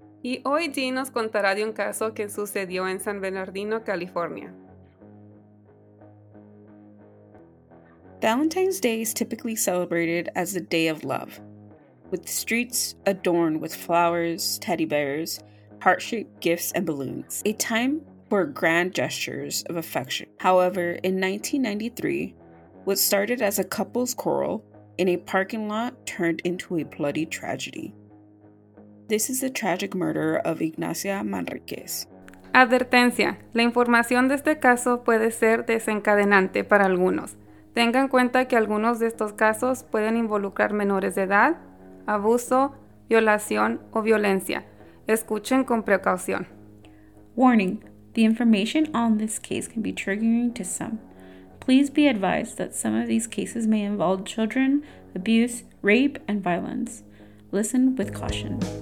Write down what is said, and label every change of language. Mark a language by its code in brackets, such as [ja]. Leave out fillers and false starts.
[es] Y hoy Dee nos contará de un caso que sucedió en San Bernardino, California. [en] Valentine's Day is typically celebrated as the day of love, with streets adorned with flowers, teddy bears, heart-shaped gifts, and balloons. A time for grand gestures of affection. However, in 1993, what started as a couple's quarrel in a parking lot turned into a bloody tragedy. This is the tragic murder of Ignacia Manriquez. [es] Advertencia. La información de este caso puede ser desencadenante para algunos. Tenga en cuenta que algunos de estos casos pueden involucrar menores de edad, abuso, violación o violencia. Escuchen con precaución. [en] Warning. The information on this case can be triggering to some. Please be advised that some of these cases may involve children, abuse, rape, and violence. Listen with caution.